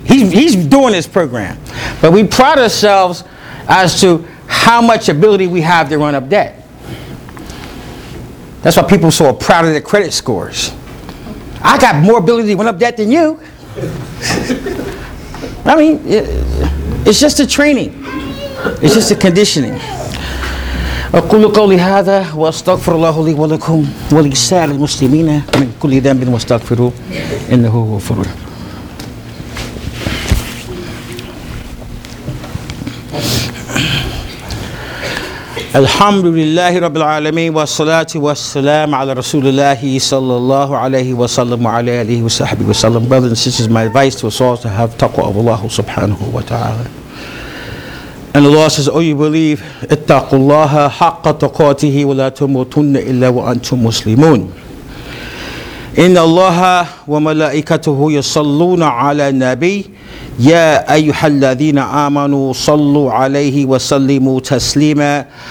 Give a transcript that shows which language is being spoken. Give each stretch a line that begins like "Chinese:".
English: He's doing this program. But we pride ourselves as to how much ability we have to run up debt. That's why people so are proud of their credit scores. I got more ability to run up debt than you. I mean, it's just a training. It's just a conditioning.
Arabic: أقول قولي هذا وأستغفر الله لي ولكم ولسائر المسلمين من كل ذنب واستغفروا إنه هو غفور. الحمد لله رب العالمين والصلاة والسلام على رسول الله صلى الله عليه وسلم وعلى آله وصحبه وسلم.
English: Brothers and sisters, my advice to us all to have taqwa of Allah subhanahu wa ta'ala. And Allah says, O you believe,
Arabic: اتَّقُوا اللَّهَ حَقَّ تَقَاتِهِ وَلَا تُمُوتُنَّ إِلَّا وَأَنْتُمْ مُسْلِمُونَ إِنَّ اللَّهَ وَمَلَائِكَتُهُ يَصَلُّونَ عَلَى النَّبِيِّ يَا أَيُّهَا الَّذِينَ آمَنُوا صَلُّوا عَلَيْهِ وَسَلِّمُوا تَسْلِيمًا